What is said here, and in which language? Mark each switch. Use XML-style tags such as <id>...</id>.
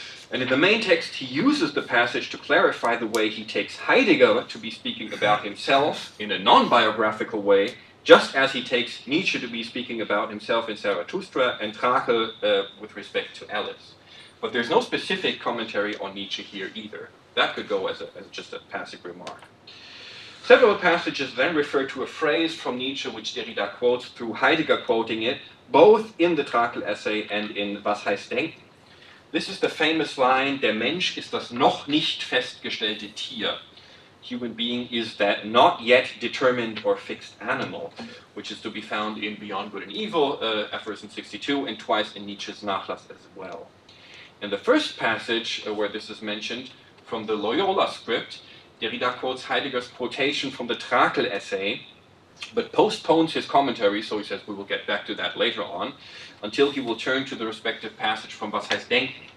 <en>And in the main text, he uses the passage to clarify the way he takes Heidegger to be speaking about himself in a non-biographical way, just as he takes Nietzsche to be speaking about himself in Zarathustra and Trakl with respect to Alice. But there's no specific commentary on Nietzsche here either. That could go as just a passing remark. Several passages then refer to a phrase from Nietzsche which Derrida quotes through Heidegger quoting it, both in the Trakl essay and in Was heißt denken? This is the famous line,</en> <de>der Mensch ist das noch nicht festgestellte Tier.</de> <en>Human being is that not yet determined or fixed animal, which is to be found in Beyond Good and Evil, aphorism 62, and twice in Nietzsche's Nachlass as well. In the first passage where this is mentioned, from the Loyola script, Derrida quotes Heidegger's quotation from the Trakl essay, but postpones his commentary, so he says we will get back to that later on, until he will turn to the respective passage from Was heißt denken.</en>